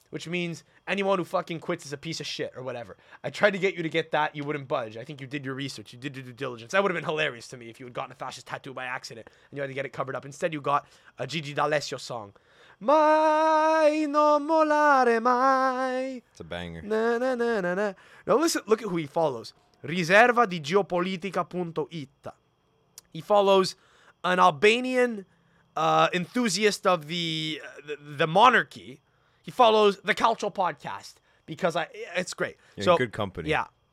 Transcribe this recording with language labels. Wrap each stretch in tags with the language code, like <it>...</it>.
<en>which means anyone who fucking quits is a piece of shit or whatever. I tried to get you to get that. You wouldn't budge. I think you did your research. You did your due diligence. That would have been hilarious to me if you had gotten a fascist tattoo by accident and you had to get it covered up. Instead, you got a Gigi D'Alessio song.</en> <it>Mai no molare mai.</it> <en>It's a banger. Na, na, na, na, na. Now listen, look at who he follows. Riserva di geopolitica.it. He follows an Albanian enthusiast of the monarchy. He follows the Calcio podcast because it's great. You're so, in good company. Yeah.</en>